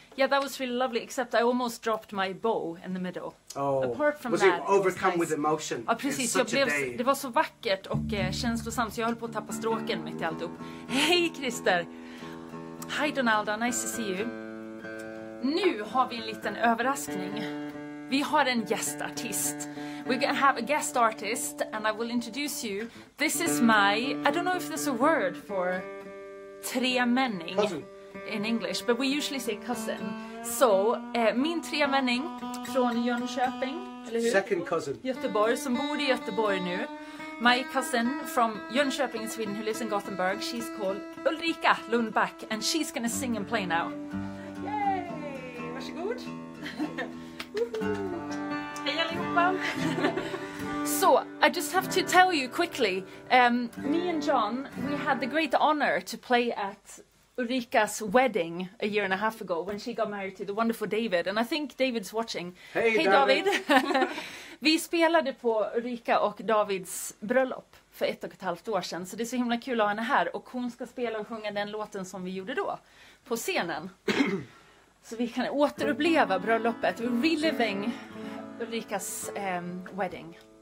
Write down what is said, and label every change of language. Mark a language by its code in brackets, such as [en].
[en] Yeah, that was really lovely, except I almost dropped my bow in the middle. Oh, apart from was that, it overcome it was nice. With emotion? [sv] Ja, precis. Jag blev, det var så vackert och känslosamt, så jag höll på att tappa stråken mitt i alltihop. Hej, Christer! Hej, Donalda. [en] Nice to see you. [sv] Nu har vi en liten överraskning. Vi har en gästartist. [en] We're going to have a guest artist, and I will introduce you. This is my... I don't know if there's a word for tremänning. In English, but we usually say cousin. [sv] So, min tremänning från Jönköping, eller hur? [en] Second cousin. [sv] Göteborg, som bor i Göteborg nu. [en] My cousin from Jönköping in Sweden, who lives in Gothenburg, she's called Ulrika Lundback, and she's gonna sing and play now. [sv] Yay! Varsågod! Hej allihopa! [en] So, I just have to tell you quickly, me and John, we had the great honor to play at Ulrika's wedding a year and a half ago when she got married to the wonderful David, and I think David's watching. Hey David! [sv] Vi spelade på Ulrika och Davids bröllop för 1,5 år sedan, så det är så himla kul att ha henne här, och hon ska spela och sjunga den låten som vi gjorde då på scenen. Så vi kan återuppleva bröllopet, [en] reliving Ulrikas wedding.